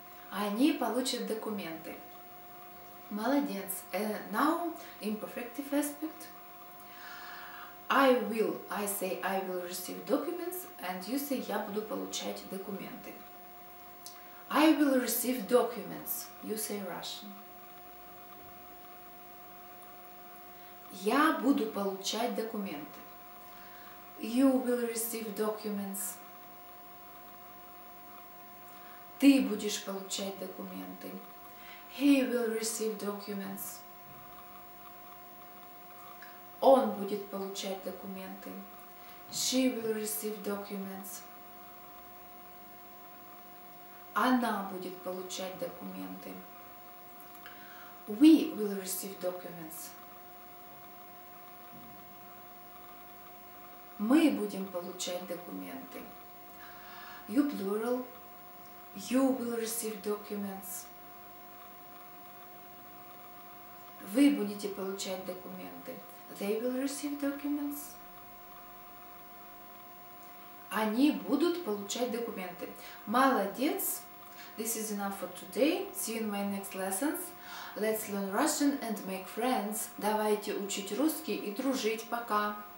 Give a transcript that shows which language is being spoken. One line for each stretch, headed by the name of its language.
Russian: Они получат документы. Молодец.
English: And now imperfective aspect. I will, I say I will receive documents, and you say
Russian: я буду получать документы.
English: I will receive documents. You say Russian.
Russian: Я буду получать документы.
English: You will receive documents.
Russian: Ты будешь получать документы.
English: He will receive documents.
Russian: Он будет получать документы.
English: She will receive documents.
Russian: Она будет получать документы.
English: We will receive documents.
Russian: мы будем получать документы.
English: You plural. You will receive documents.
Russian: Вы будете получать документы.
English: They will receive documents.
Russian: Они будут получать документы. Молодец!
English: This is enough for today. See you in my next lessons. Let's learn Russian and make friends.
Russian: Давайте учить русский и дружить. Пока!